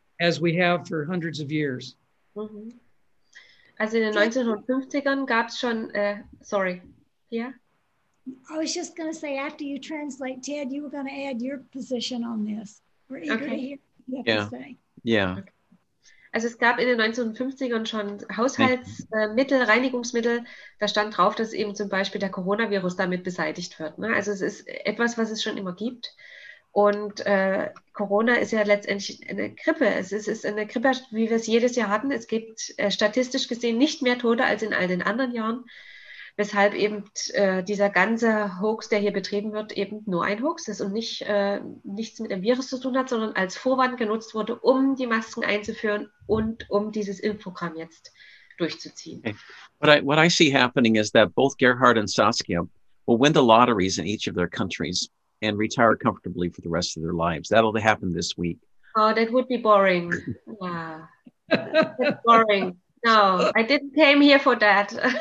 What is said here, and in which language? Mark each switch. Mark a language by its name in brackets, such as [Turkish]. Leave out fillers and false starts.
[English] as we have for hundreds of years. Mm-hmm. Also in the 1950s [German] gab's schon, [English] sorry, yeah? I was just going to say, after you translate, Ted, you were going to add your position on this. We're eager to hear what you have yeah. to say. Yeah. Okay. [German] Also es gab in den 1950ern schon Haushaltsmittel, Reinigungsmittel. Da stand drauf, dass eben zum Beispiel der Coronavirus damit beseitigt wird. Ne? Also es ist etwas, was es schon immer gibt. Und Corona ist ja letztendlich eine Grippe. Es ist eine Grippe, wie wir es jedes Jahr hatten. Es gibt statistisch gesehen nicht mehr Tote als in all den anderen Jahren. Weshalb eben dieser ganze Hoax, der hier betrieben wird, eben nur ein Hoax ist und nichts mit dem Virus zu tun hat, sondern als Vorwand genutzt wurde, um die Masken einzuführen und um dieses Impfprogramm jetzt durchzuziehen. Okay. [English] What I see happening is that both Gerhard and Saskia will win the lotteries in each of their countries and retire comfortably for the rest of their lives. That'll happen this week. Oh, that would be boring. Yeah. That's boring. No, I didn't came here for that.